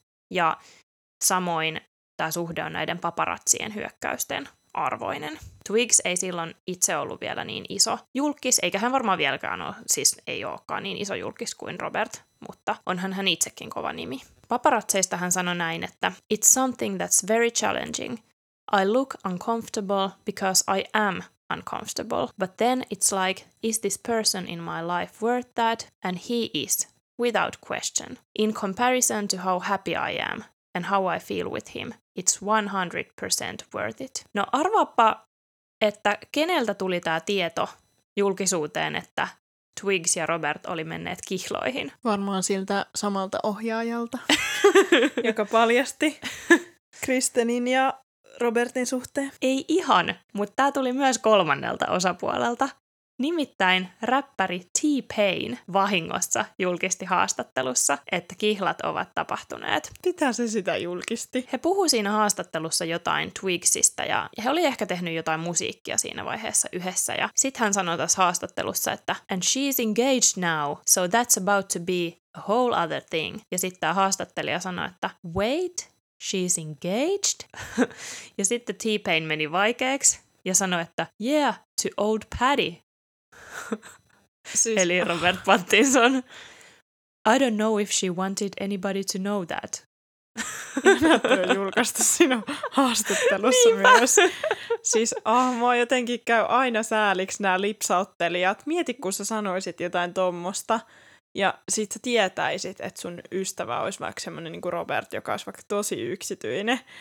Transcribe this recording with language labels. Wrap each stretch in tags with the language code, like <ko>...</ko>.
<fi>Ja samoin tämä suhde on näiden paparatsien hyökkäysten arvoinen. Twigs ei silloin itse ollut vielä niin iso julkis, eikä hän varmaan vieläkään ole, siis ei olekaan niin iso julkis kuin Robert, mutta onhan hän itsekin kova nimi. Paparatseista hän sanoi näin, että</fi> <en>it's something that's very challenging. I look uncomfortable because I am uncomfortable, but then it's like, is this person in my life worth that? And he is, without question. In comparison to how happy I am and how I feel with him, it's 100% worth it.</en> <fi>No arvaapa, että keneltä tuli tämä tieto julkisuuteen, että Twigs ja Robert oli menneet kihloihin. Varmaan siltä samalta ohjaajalta, joka paljasti Kristenin ja Robertin suhteen? Ei ihan, mutta tämä tuli myös kolmannelta osapuolelta. Nimittäin räppäri T-Pain vahingossa julkisti haastattelussa, että kihlat ovat tapahtuneet. Mitä se sitä julkisti? He puhuivat siinä haastattelussa jotain Twigsistä ja he olivat ehkä tehneet jotain musiikkia siinä vaiheessa yhdessä. Ja sitten hän sanoi tässä haastattelussa, että</fi> <en>"And she's engaged now, so that's about to be a whole other thing."</en> <fi>Ja sitten tämä haastattelija sanoi, että</fi> <en>"Wait, she's engaged?"</en> <fi>Ja sitten T-Pain meni vaikeaksi ja sanoi, että</fi> <en>"Yeah, to old Paddy."</en> <fi>Siis, eli Robert Pattinson.</fi> <en>I don't know if she wanted anybody to know that.</en> <fi>Ihan julkaista siinä haastattelussa niinpä. Myös. Siis mua jotenkin käy aina sääliksi nämä lipsauttelijat. Mieti, kun sä sanoisit jotain tuommoista. Ja sit sä tietäisit, että sun ystävä olisi vaikka semmonen niin kuin Robert, joka olisi vaikka tosi yksityinen.</fi>